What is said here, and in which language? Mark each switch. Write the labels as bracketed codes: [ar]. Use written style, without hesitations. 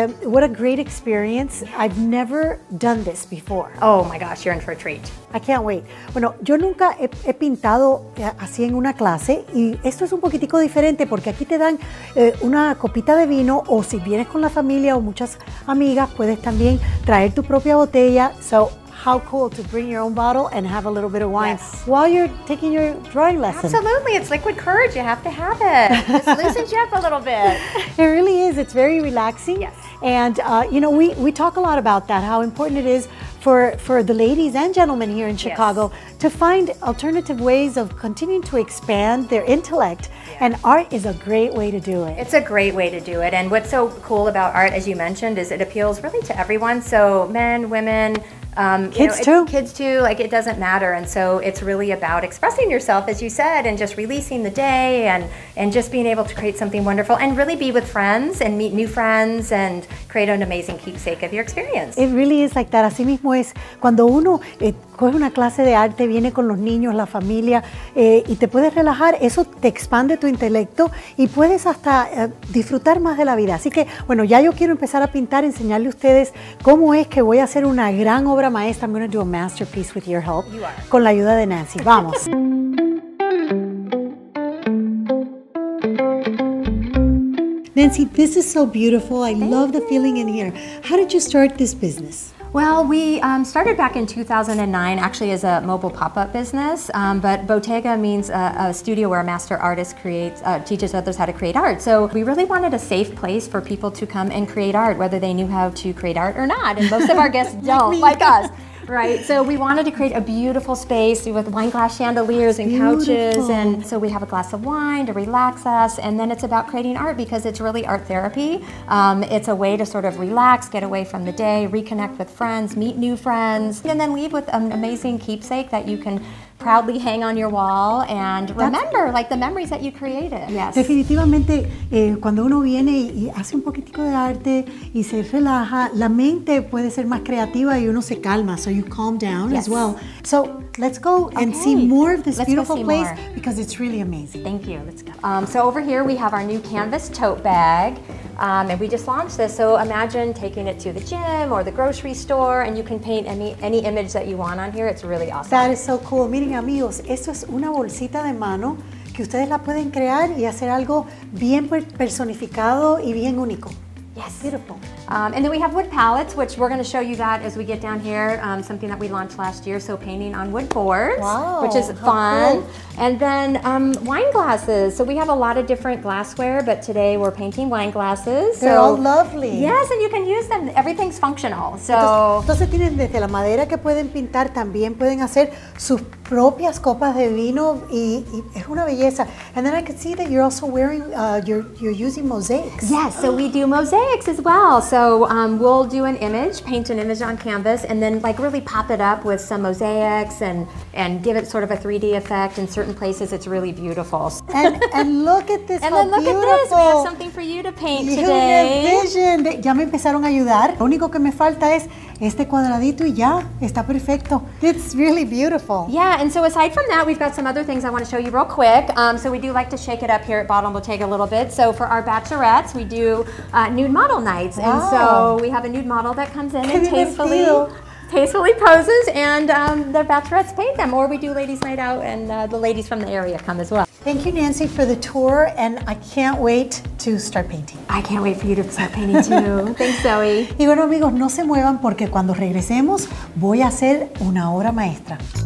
[en] What a great experience. I've never done this before. Oh my gosh, you're in for a treat. I can't wait. [es] Bueno, yo nunca he pintado así en una clase y esto es un poquitico diferente porque aquí te dan una copita de vino o si vienes con la familia o muchas amigas, puedes también traer tu propia botella. [en] So, how cool to bring your own bottle and have a little bit of wine. Yes. While you're taking your drawing lesson. Absolutely, it's liquid courage, you have to have it. Just loosens you up a little bit. It really is, it's very relaxing. Yes. And you know, we talk a lot about that, how important it is for the ladies and gentlemen here in Chicago yes. to find alternative ways of continuing to expand their intellect. Yeah. And art is a great way to do it. It's a great way to do it. And what's so cool about art, as you mentioned, is it appeals really to everyone. So men, women, kids, you know, Kids too, like it doesn't matter. And so it's really about expressing yourself, as you said, and just releasing the day and just being able to create something wonderful and really be with friends and meet new friends and create an amazing keepsake of your experience. It really is like that. [es] Así mismo es cuando uno coge una clase de arte, viene con los niños, la familia, y te puedes relajar, eso te expande tu intelecto y puedes hasta disfrutar más de la vida. Así que, bueno, ya yo quiero empezar a pintar, enseñarle a ustedes cómo es que voy a hacer una gran obra maestra. [en] I'm going to do a masterpiece with your help. You are. [es] Con la ayuda de Nancy. Vamos. [en] Nancy, this is so beautiful. I love the feeling in here. How did you start this business? Well, we started back in 2009, actually as a mobile pop-up business, but Bottega means a studio where a master artist creates, teaches others how to create art. So we really wanted a safe place for people to come and create art, whether they knew how to create art or not, and most of our guests don't, like us. Right, so we wanted to create a beautiful space with wine glass chandeliers and couches, and so we have a glass of wine to relax us, and then it's about creating art because it's really art therapy. It's a way to sort of relax, get away from the day, reconnect with friends, meet new friends, and then leave with an amazing keepsake that you can proudly hang on your wall and remember, like the memories that you created. Yes. [es] Definitivamente, cuando uno viene y hace un poquitico de arte y se relaja, la mente puede ser más creativa y uno se calma. [en] So you calm down yes. as well. So let's go and okay. see more of this let's beautiful place more. Because it's really amazing. Thank you. Let's go. So over here we have our new canvas tote bag. And we just launched this, so imagine taking it to the gym or the grocery store and you can paint any image that you want on here. It's really awesome. That is so cool. [es] Miren amigos, esto es una bolsita de mano que ustedes la pueden crear y hacer algo bien personificado y bien único. [en] Yes. Beautiful. And then we have wood palettes, which we're going to show you that as we get down here, something that we launched last year, so painting on wood boards, wow, which is fun. Cool. And then wine glasses. So we have a lot of different glassware, but today we're painting wine glasses. They're all lovely. Yes, and you can use them. Everything's functional. So. [es] Entonces tienen desde la madera que pueden pintar, también pueden hacer sus propias copas de vino y es una belleza. [en] And then I can see that you're also wearing, you're using mosaics. Yes, so we do mosaics as well. So we'll do an image, paint an image on canvas, and then like really pop it up with some mosaics and give it sort of a 3D effect. In certain places, it's really beautiful. And look at this, and how beautiful. And then look beautiful. At this, we have something for you to paint you today. Your vision. [es] Ya me empezaron a ayudar. Lo único que me falta es este cuadradito y ya, está perfecto. [en] It's really beautiful. Yeah, and so aside from that, we've got some other things I want to show you real quick. So we do like to shake it up here at Bottle and Bottega a little bit. So for our bachelorettes, we do nude model nights. Wow. And so we have a nude model that comes in and tastefully poses, and the bachelorettes paint them. Or we do ladies' night out, and the ladies from the area come as well. Thank you, Nancy, for the tour, and I can't wait to start painting. I can't wait for you to start painting, too. Thanks, Zoe. [es] Y bueno, amigos, no se muevan, porque cuando regresemos, voy a hacer una obra maestra.